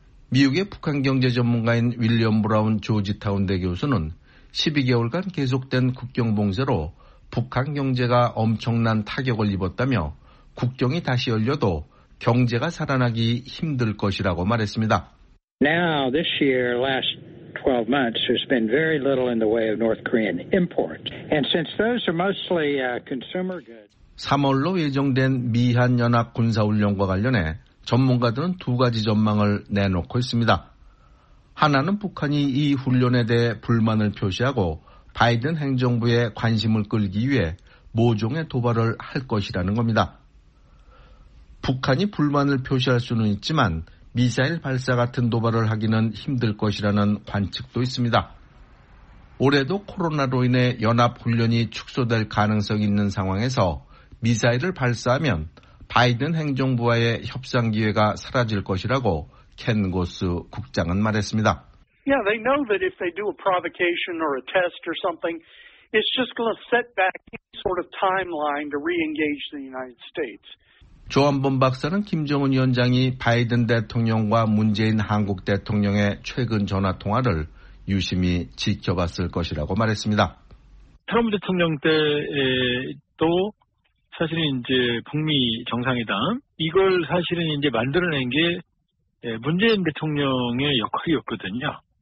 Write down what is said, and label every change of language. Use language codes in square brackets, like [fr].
[ko] 미국의 북한 경제 전문가인 윌리엄 브라운 조지타운 대 교수는 12개월간 계속된 국경 봉쇄로 북한 경제가 엄청난 타격을 입었다며 국경이 다시 열려도 경제가 살아나기 힘들 것이라고 말했습니다. [en] Now this year, last 12 months, there's been very little in the way of North Korean imports. And since those are mostly consumer goods. [ko] 3월로 예정된 미한 연합 군사 훈련과 관련해 전문가들은 두 가지 전망을 내놓고 있습니다. 하나는 북한이 이 훈련에 대해 불만을 표시하고 바이든 행정부의 관심을 끌기 위해 모종의 도발을 할 것이라는 겁니다. 북한이 불만을 표시할 수는 있지만 미사일 발사 같은 도발을 하기는 힘들 것이라는 관측도 있습니다. 올해도 코로나로 인해 연합훈련이 축소될 가능성이 있는 상황에서 미사일을 발사하면 바이든 행정부와의 협상 기회가 사라질 것이라고 켄 고스 국장은 말했습니다. [en] Yeah, they know that if they do a provocation or a test or something, it's just going to set back any sort of timeline to re-engage the United States. [ko] 조한범 박사는 김정은 위원장이 바이든 대통령과 문재인 한국 대통령의 최근 전화 통화를 유심히 지켜봤을 것이라고 말했습니다. 트럼프 대통령 때도 사실은 이제 북미 정상회담 이걸 사실은 이제 만들어낸 게 문재인 대통령의 역할이었거든요.